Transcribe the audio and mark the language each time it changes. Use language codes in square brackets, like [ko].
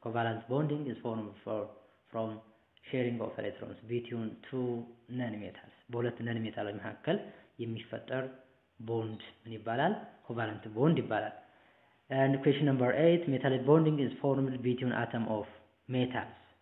[en] Covalent bonding is formed from sharing of electrons between two nanometals. [am] በሁለት ነንሜታሎች መካከል የሚፈጠር ቦንድ ምን ይባላል? ኮቫለንት ቦንድ ይባላል. [en] And question number 8, metallic bonding is formed between atom of metals.